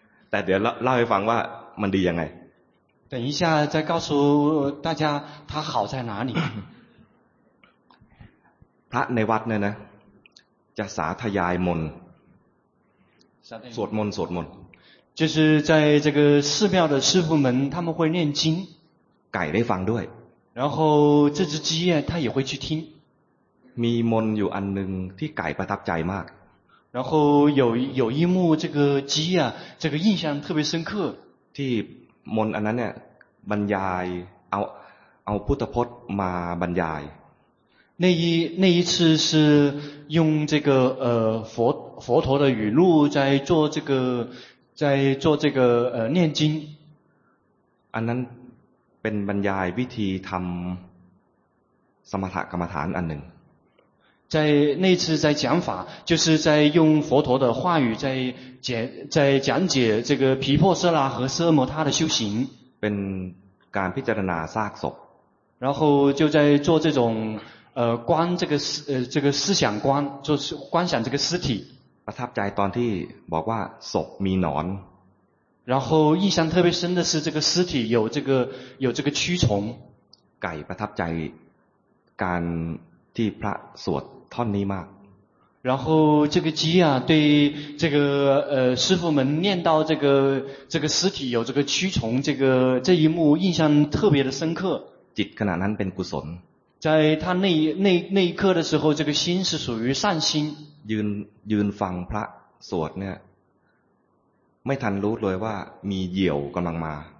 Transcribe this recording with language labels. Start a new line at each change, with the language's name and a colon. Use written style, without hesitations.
Thai: แต่เดี๋ยวเล่าให้ฟังว่ามันดียังไง
Chinese: 等一下再告诉大家他好在哪里
Thai: พระในวัดเนี่ยนะจะสาธยายมนสวดมนสวดมน
Chinese: 就是在这个寺庙的师父们他们会念经
Thai: ไก่ได้ฟังด้วย
Chinese: 然后这只鸡他也会去听
Thai: มีมนอยู่อันนึงที่ไก่ประทับใจมาก
Chinese: 然后有一幕这个鸡这个印象特别深刻
Thai: ที่มนอันนั้นเนี่ยบรรยายเอาพุทธพจน์มาบรรยาย
Chinese: 那一次是用这个佛陀的语录在做这个念经
Thai: อันนั้นเป็นบรรยายวิธีทำสมถะกรรมฐานอันหนึ่ง
Chinese: 在那次在讲法就是在用佛陀的话语在讲解这个毗婆舍那和奢摩他的修行
Thai: เป็นการพิจารณาซากศพ
Chinese: 然后就在做这种观这个这个思想观就是观想这个尸体
Thai: ประทับใจตอนที่บอกว่าศพมีหนอน
Chinese: 然后印象特别深的是这个尸体有这个蛆虫
Thai: ไก่ประทับใจการที่พระสวดท่อนนี้มาก
Chinese: 然后这个鸡啊对这个师父们念到这个尸体有这个蛆虫这一幕印象特别的深刻
Thai: จิตขณะนั้นเป็นกุศล
Chinese: 在他那一刻的时候这个心是属于善心
Thai: ยืนฟังพระสวดเนี่ยไม่ทันรู้เลยว่ามีเหยี่ยวกำลังมา